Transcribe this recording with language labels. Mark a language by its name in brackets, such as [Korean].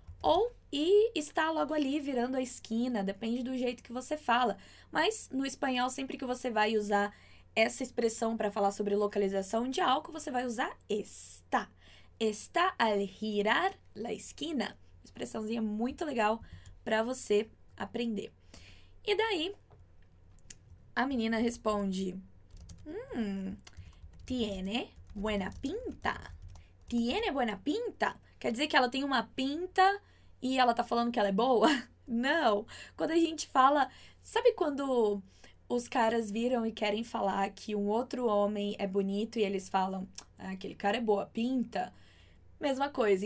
[Portuguese] Ou e está logo ali virando a esquina, depende do jeito que você fala. Mas no espanhol, sempre que você vai usar essa expressão para falar sobre localização de algo, você vai usar está. [Spanish] Está al girar la esquina. [Portuguese] Expressãozinha muito legal para você aprender. E daí, a menina responde: [Spanish] tiene buena pinta. Tiene buena pinta. [Portuguese] Quer dizer que ela tem uma pinta e ela tá falando que ela é boa? Não. Quando a gente fala, sabe quando os caras viram e querem falar que um outro homem é bonito e eles falam, ah, aquele cara é boa pinta. Mesma coisa.